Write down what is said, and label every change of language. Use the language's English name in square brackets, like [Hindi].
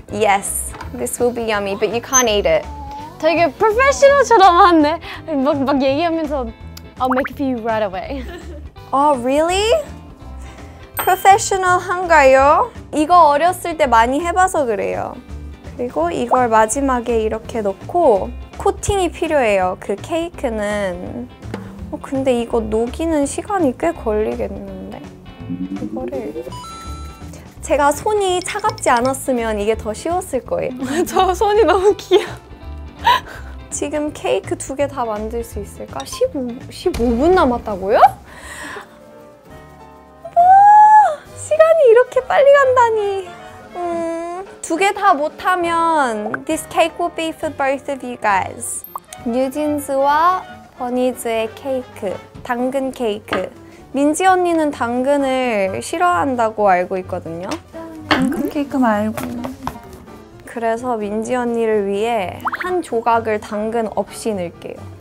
[English] Yes, this will be yummy, but you can't eat it. [Korean] 되게 프로페셔널처럼 하네. 막 얘기하면서 [English] I'll make it for you right away. Oh, really? [Korean] 프로페셔널한가요? 이거 어렸을 때 많이 해봐서 그래요. 그리고 이걸 마지막에 이렇게 넣고 코팅이 필요해요, 그 케이크는. 근데 이거 녹이는 시간이 꽤 걸리겠는데? 이거를 제가 손이 차갑지 않았으면 이게 더 쉬웠을 거예요. 저 손이 너무 귀여워. 지금 케이크 두 개 다 만들 수 있을까? 15분 남았다고요? 시간이 이렇게 빨리 간다니. 두 개 다 못하면 [English] This cake will be for both of you guys. [Korean] 뉴진스와 버니즈의 케이크, 당근 케이크. 민지 언니는 당근을 싫어한다고 알고 있거든요. 당근 케이크 말고. 그래서 민지 언니를 위해 한 조각을 당근 없이 넣을게요.